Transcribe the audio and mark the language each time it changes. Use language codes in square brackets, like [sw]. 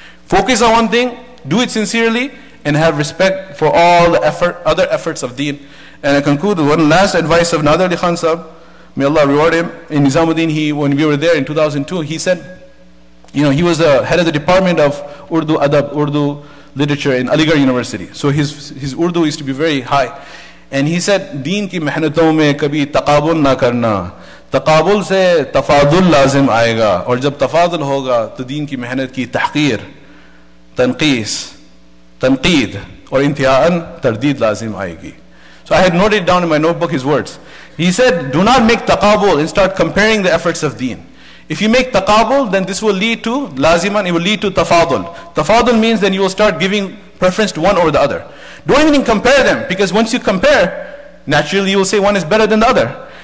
[en] Focus on one thing, do it sincerely, and have respect for all the effort, other efforts of deen. And I conclude with one last advice of Nader Ali Khan Sahib. May Allah reward him. In Nizamuddin, when we were there in 2002, he said, you know, he was the head of the department of Urdu Adab, Urdu Literature in Aligarh University. So his Urdu used to be very high. And he said, [ur] دین کی محنتوں میں کبھی تقابل نہ کرنا. تقابل سے تفاضل لازم آئے گا. اور جب تفاضل ہوگا، تو دین کی محنت کی تحقیر، تنقیص، تنقید، اور انتیان، تردید لازم آئے گی. [en] So I had noted down in my notebook his words. He said, do not make taqabul and start comparing the efforts of deen. If you make taqabul, then this will lead to laziman, it will lead to tafadul. Tafadul means then you will start giving preference to one over the other. Don't even compare them, because once you compare, naturally you will say one is better than the other.